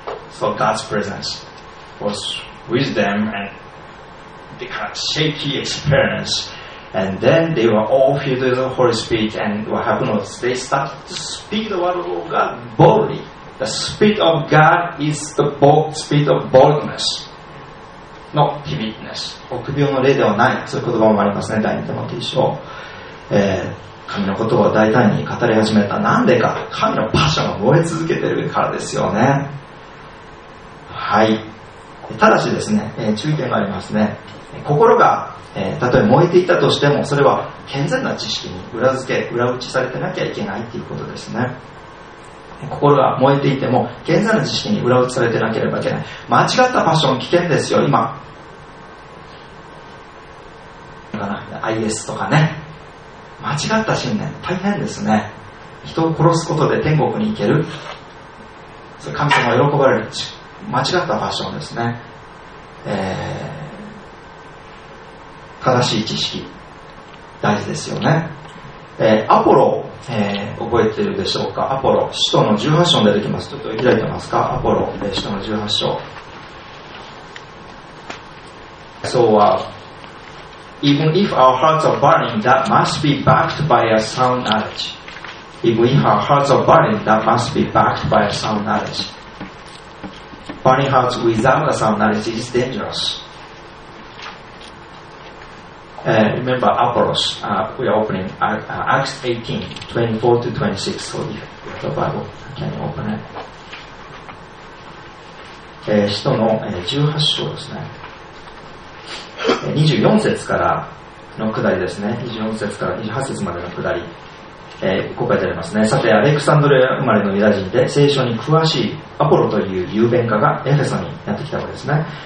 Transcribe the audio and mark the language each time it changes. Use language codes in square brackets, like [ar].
[en] So God's presence was with them and they had a shaky experience. And then they were all filled with the Holy Spirit and what happened was they started to speak the word of God boldly. The Spirit of God is the spirit of boldness. [ja] の秘密なし、臆病の霊ではない、そういう言葉もありますね。第2テモテ書、神のことを大胆に語り始めた。なんでか、神のパッションが燃え続けているからですよね。はい、ただしですね、注意点がありますね。心がたとえ燃えていたとしてもそれは健全な知識に裏付け裏打ちされてなきゃいけないということですね。心が燃えていても現在の知識に裏打ちされてなければいけない。間違ったパッション危険ですよ。今 IS とかね、間違った信念大変ですね。人を殺すことで天国に行ける、それ神様が喜ばれる、間違ったパッションですね。正しい知識大事ですよね。アポロ、覚えているでしょうか。アポロ使徒の18章出てきます。ちょっと開いてますか。アポロ使徒の18章、 [en] So even if our hearts are burning, that must be backed by a sound knowledge. Even if our hearts are burning, that must be backed by a sound knowledge. Burning hearts without a sound knowledge is dangerous. Remember Apollos, we are opening Acts 18:24-26. So if you have the Bible, can you open it? [ja] 使徒の18章ですね、24節からの下りですね。 24節から28節までの下り、ここが出てますね。さて、アレクサンドリア生まれのユダ人で聖書に詳しいアポロという雄弁家がエフェソにやってきたわけですね。